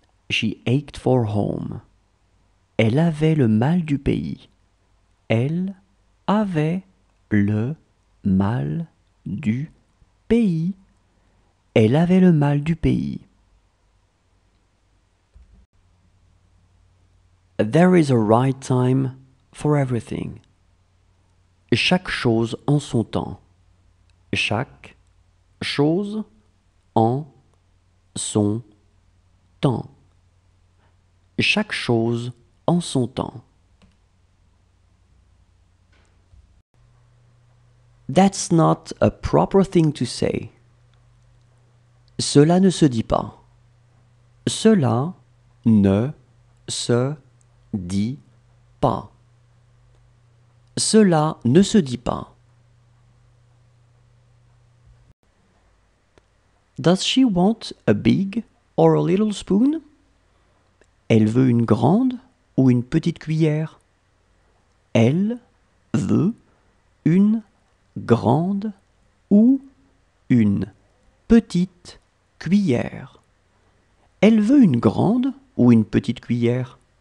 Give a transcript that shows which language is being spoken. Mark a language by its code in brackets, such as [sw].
[en] She ached for home. [fr] Elle avait le mal du pays. Elle avait le mal du pays. Elle avait le mal du pays. [en] There is a right time for everything. [fr] Chaque chose en son temps. Chaque chose en son temps. Chaque chose en son temps. [en] That's not a proper thing to say. [fr] Cela ne se dit pas. Cela ne se dit pas. Cela ne se dit pas. [en] Does she want a big or a little spoon? [fr] Elle veut une grande ou une petite cuillère? Elle veut une grande ou une petite cuillère? Elle veut une grande ou une petite cuillère?